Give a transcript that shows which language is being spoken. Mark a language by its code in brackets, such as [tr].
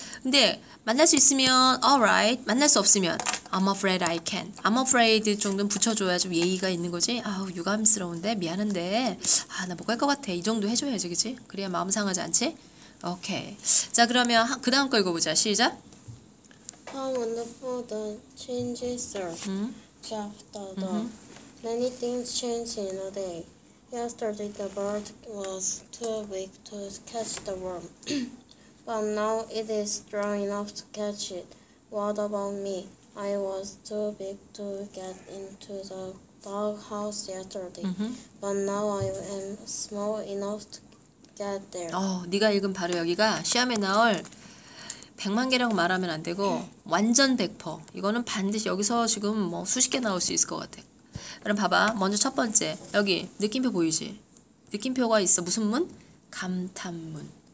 [ko] 근데 만날 수 있으면 alright, 만날 수 없으면 [en] I'm afraid I can. I'm afraid [ko] 정도는 붙여줘야 좀 예의가 있는 거지. 아우 유감스러운데 미안한데 아나못갈것 같아. 이 정도 해줘야지, 그치? 그래야 마음 상하지 않지? 오케이. 자 그러면 그 다음 거 읽어보자. 시작. [en] How wonderful the changes are after the many things change in a day. Yesterday the bird was too weak to catch the worm, but now it is strong enough to catch it. What about me? I was too big to get into the doghouse yesterday, but now I am small enough to get there. [ko] 네가 읽은 바로 여기가 시험에 나올 100만 개라고 말하면 안 되고 완전 100퍼. 이거는 반드시 여기서 지금 뭐 수십 개 나올 수 있을 것 같아. 그럼 봐봐. 먼저 첫 번째. 여기 느낌표 보이지? 느낌표가 있어. 무슨 문? 감탄문.